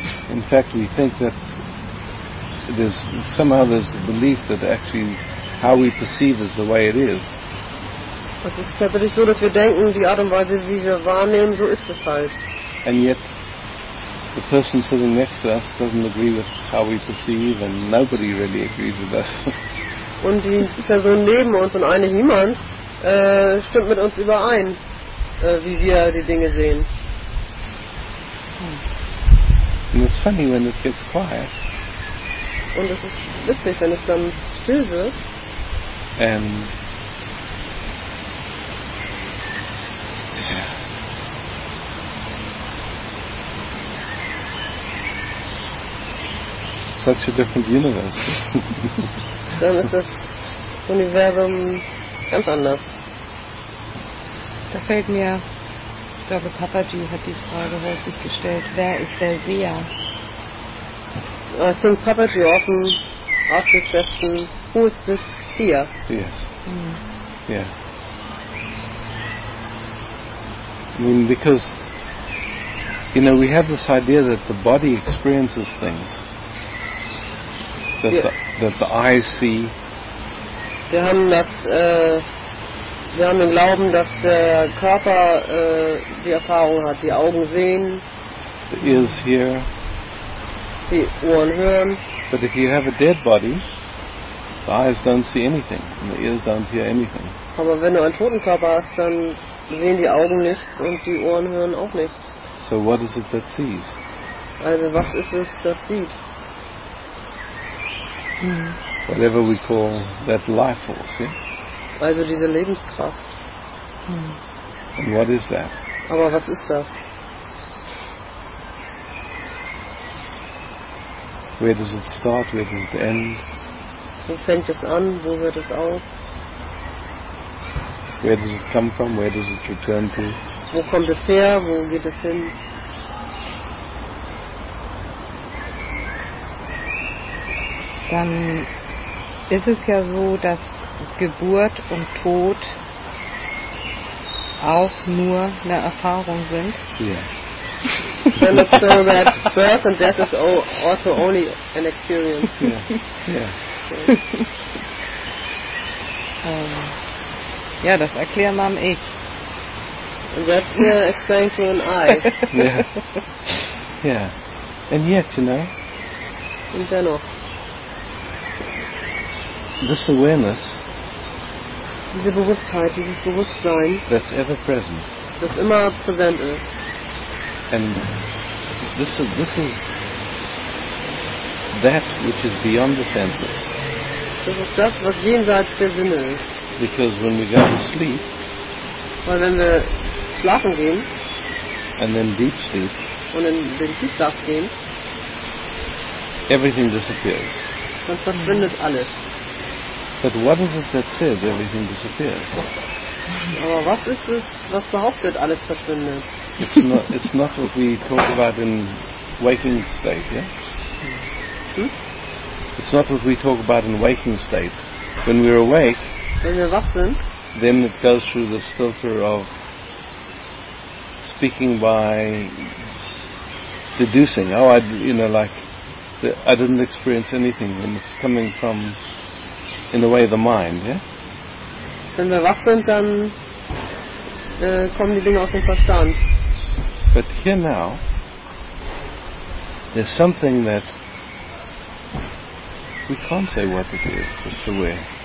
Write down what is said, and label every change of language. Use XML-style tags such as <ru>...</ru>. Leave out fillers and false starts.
<en>In fact, we think that there's somehow there's the belief that actually how we perceive is the way it is.</en> <de>Es ist tatsächlich so, dass wir denken, die Art und Weise, wie wir wahrnehmen, so ist es halt.</de> <en>And yet the person sitting next to us doesn't agree with how we perceive, and nobody really agrees with us.</en> <de>Und die Person neben uns und eigentlich niemand stimmt mit uns überein, wie wir die Dinge sehen.</de> <en>And it's funny when it gets quiet.</en> <de>Und es ist witzig, wenn es dann still wird.</de> <en>And such a different universe.</en> <de>Dann ist das Universum ganz anders. Da fällt mir, ich glaube, Papaji hat die Frage häufig gestellt, wer ist der Seher?</de> <en>I think Papaji often asked the question, who is this seer? Yes. Mm. Yeah. I mean, because, you know, we have this idea that the body experiences things. That the eyes see.</en> <de>Wir haben den Glauben, dass der Körper die Erfahrung hat, die Augen sehen.</de> <en>The ears hear.</en> <de>Die Ohren hören.</de> <en>But if you have a dead body, the eyes don't see anything and the ears don't hear anything.</en> <de>Aber wenn du einen toten Körper hast, dann sehen die Augen nichts und die Ohren hören auch nichts.</de> <en>So what is it that sees?</en> <de>Also was ist es, das sieht?</de> <en>Whatever we call that life force, yeah?</en> <de>Also diese Lebenskraft.</de> <en>And what is that?</en> <de>Aber was ist das?</de> <en>Where does it start? Where does it end?</en> <de>Wo fängt es an? Wo hört es auf?</de> <en>Where does it come from? Where does it return to?</en> <de>Wo kommt es her? Wo geht es hin? Dann ist es ja so, dass Geburt und Tod auch nur eine Erfahrung sind. Yeah.</de> <en>Then it's so that birth and death is also only an experience. Yeah. Yeah.</en> <de>Ja, das erkläre Mom ich.</de> <en>And that's explained to an eye. Yeah. Yeah. And yet, you know.</en> <de>Und dennoch.</de> <en>This awareness.</en> <de>Diese Bewusstheit, dieses Bewusstsein.</de> <en>That's ever present.</en> <de>Das immer präsent ist.</de> <en>And this is that which is beyond the senses.</en> <de>Das ist das, was jenseits der Sinne ist.</de> <en>Because when we go to sleep,</en> <de>weil wenn wir schlafen gehen,</de> <en>and then deep sleep,</en> <de>und in den Tiefschlaf gehen,</de> <en>everything disappears.</en> <de>Dann verschwindet alles.</de> <en>But what is it that says everything disappears?</en> <de>Aber was ist es, was behauptet, alles verschwindet?</de> <en>It's not what we talk about in waking state, yeah? It's not what we talk about in waking state. When we're awake,</en> <de>wenn wir wach sind,</de> <en>then it goes through this filter of speaking by deducing. Oh, I didn't experience anything. And it's coming from, in a way, the mind, yeah?</en> <de>Wenn wir wach sind, dann kommen die Dinge aus dem Verstand.</de> <en>But here now, there's something that we can't say what it is, it's aware.</en>